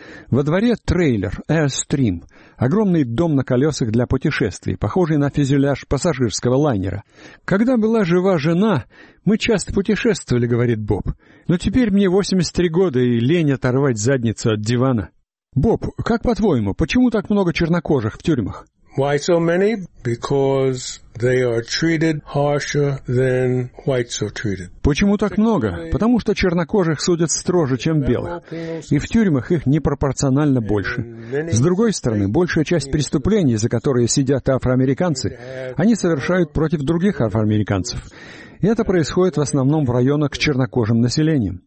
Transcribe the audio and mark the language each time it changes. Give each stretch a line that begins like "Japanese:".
Russian: Во дворе трейлер Airstream, огромный дом на колесах для путешествий, похожий на фюзеляж пассажирского лайнера. «Когда была жива жена, мы часто путешествовали», — говорит Боб. «Но теперь мне 83 года, и лень оторвать задницу от дивана». «Боб, как по-твоему, почему так много чернокожих в тюрьмах?»
English: Why so many? Because they are treated harsher than whites are treated.
Russian: Почему так много? Потому что чернокожих судят строже, чем белых. И в тюрьмах их непропорционально больше. С другой стороны, большая часть преступлений, за которые сидят афроамериканцы, они совершают против других афроамериканцев. И это происходит в основном в районах с чернокожим населением.